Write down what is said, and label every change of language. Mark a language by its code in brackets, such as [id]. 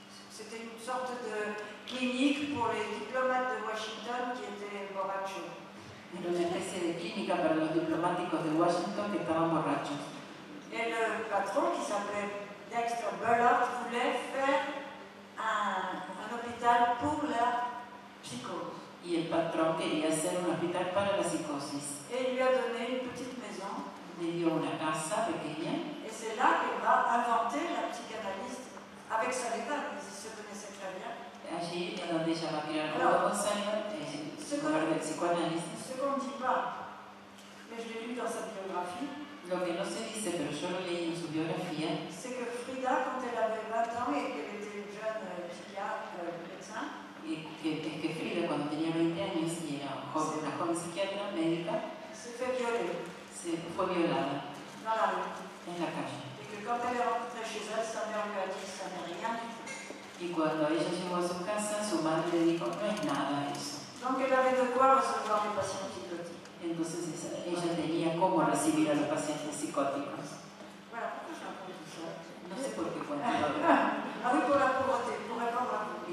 [fr] C'était une sorte de clinique pour les diplomates de Washington qui étaient [es] borrachos. Era una especie de clínica para los diplomáticos de Washington que estaban borrachos. El patrón, que se llamaba Dexter Bullock, quería hacer un hospital para la psicosis. Y el patrón quería hacer un hospital para la psicosis. Él le dio una pequeña casa. Le dio una casa pequeña. Y es ahí que va a inventar la psicanalista con su letal, que si se conoce muy bien. Allí es donde ella va a crear un nuevo consejo, el lugar del psicoanálisis. [fr] Qu'on ne dit pas, mais je l'ai lu dans sa biographie. [es] Lo que no se dice, pero yo lo leí en su biografía. [fr] C'est que Frida, quand elle avait 20 ans et qu'elle était une jeune psychiatre, médecin. [es] Que Frida, cuando tenía 20 años y era una joven psiquiatra, médica. [fr] Se fait violer. [es] Se fue violada. [fr] Dans la rue. [es] En la calle. [fr] Et que quand elle est rentrée chez elle, sa mère lui a dit, ça n'est rien. [es] Y cuando ella llegó a su casa, su madre le dijo, no es nada eso. [fr] Donc elle avait de quoi recevoir les patients psychotiques. [es] Entonces ella tenía cómo recibir a los pacientes psicóticos. [fr] Voilà, [es] no sé por qué cuento. [fr] Ah oui, pour la pauvreté, pour répondre à vous.